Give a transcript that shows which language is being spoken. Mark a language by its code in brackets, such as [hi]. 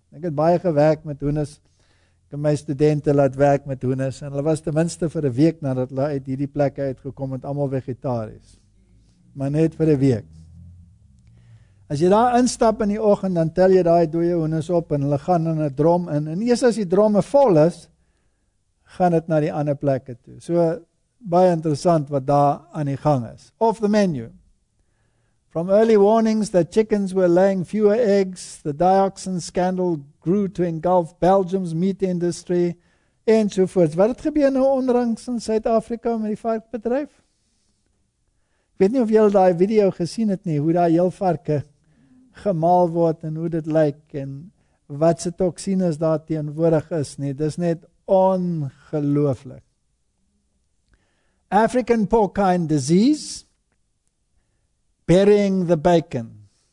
[af] Ek het baie gewerk met hoenders. Ek het my studente laat werk met hoenders en hulle was ten minste vir 'n week nadat hulle uit hierdie plekke uitgekom het almal vegetaries. Maar net vir 'n week. As jy daar instap in die oggend, dan tel jy daai dooie hoenders op en hulle gaan in 'n drom in. En eers as die dromme vol is, gaan dit na die ander plekke toe. So baie interessant wat daar aan die gang is. [en] Off the menu. From early warnings that chickens were laying fewer eggs, the dioxin scandal grew to engulf Belgium's meat industry, [af] ensovoorts. Wat het gebeur nou onlangs in Suid-Afrika met die varkbedryf? Ek weet nie of julle daai video gesien het nie, hoe daai heel varke gemaal word en hoe dit lyk en wat se toksines daar teenwoordig is nie. Dis net ongelooflik. [en] African porcine disease, burying the bacon.